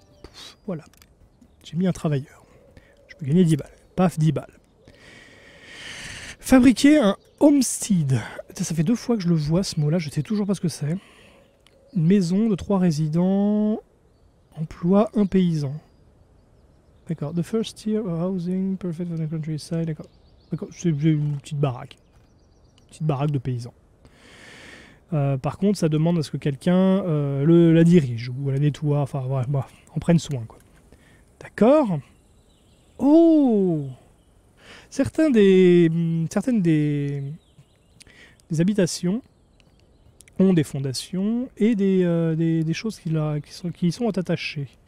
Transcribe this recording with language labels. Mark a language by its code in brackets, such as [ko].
[fr] Pouf, voilà. J'ai mis un travailleur. Je peux gagner 10 balles. Paf, 10 balles. Fabriquer un homestead. Ça fait deux fois que je le vois ce mot-là. Je sais toujours pas ce que c'est. Une maison de 3 résidents. Emploie un paysan. D'accord. [en] The first tier of housing perfect for the countryside. [fr] D'accord. D'accord. C'est une petite baraque. Une petite baraque de paysan. Par contre, ça demande à ce que quelqu'un la dirige ou la nettoie. Enfin, bref, ouais, bah, en prenne soin, quoi. D'accord. Oh. Certaines des habitations ont des fondations et des choses qui sont attachées.